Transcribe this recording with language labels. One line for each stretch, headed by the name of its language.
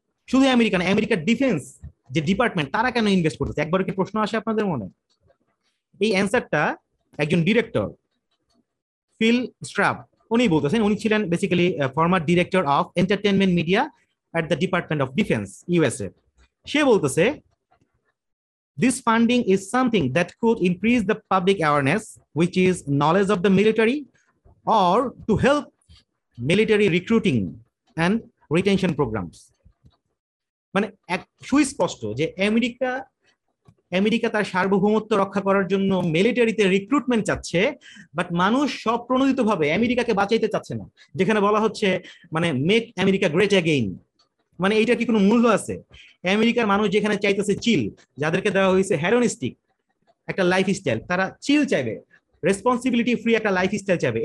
Bangla: শুধু আমেরিকা না, আমেরিকার ডিফেন্স যে ডিপার্টমেন্ট তারা কেন ইনভেস্ট করতেছে, একবার কি প্রশ্ন আসে আপনাদের মনে? এই অ্যান্সারটা একজন ডিরেক্টর ফিল স্ট্রাব উনি বলতেছেন। উনি ছিলেন basically former director of entertainment media at the department of defence USA. সে বলতেছে,
English: This funding is something that could increase the public awareness, which is knowledge of the military, or to help military recruiting and retention programs.
Bangla: মানে সুস্পষ্ট যে America America তার সার্বভৌমত্ব রক্ষা করার জন্য মিলিটারিতে রিক্রুটমেন্ট চাচ্ছে, বাট মানুষ স্বপ্রণোদিত ভাবে আমেরিকাকে বাঁচাইতে চাচ্ছে না, যেখানে বলা হচ্ছে মানে মেক আমেরিকা গ্রেট অ্যাগেইন। মানে এইটা কি কোনো মূল্য আছে? আমেরিকার মানুষ যেখানে চাইতেছে চিল, যাদেরকে দেওয়া হয়েছে হেরোনিস্টিক একটা লাইফ স্টাইল, তারা চিল চাইবে, রেসপন্সিবিলিটি ফ্রি একটা লাইফ স্টাইল চাইবে।